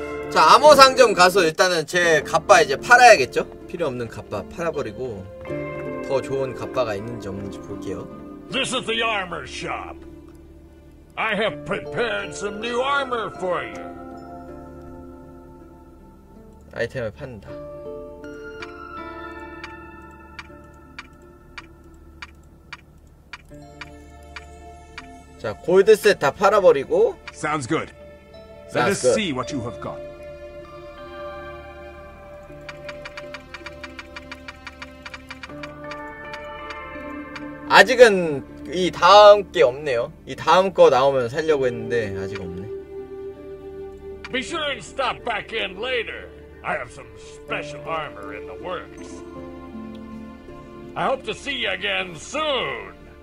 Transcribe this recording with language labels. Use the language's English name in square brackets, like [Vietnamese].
[Korean] 자, 암호 상점 가서 일단은 제 갑바 이제 팔아야겠죠? 필요 없는 갑바 팔아버리고 더 좋은 갑바가 있는지 없는지 볼게요. [English] This is the armor shop. I have prepared some new armor for you. [Korean] 아이템을 판다. 자, 골드 셋 다 팔아버리고. [English] Sounds good. Let us see what you have got. [Korean] 아직은 이 다음 게 없네요. 이 다음 거 나오면 살려고 했는데 아직 없네. [English] Be sure and stop back in later. I have some special armor in the works. I hope to see you again soon.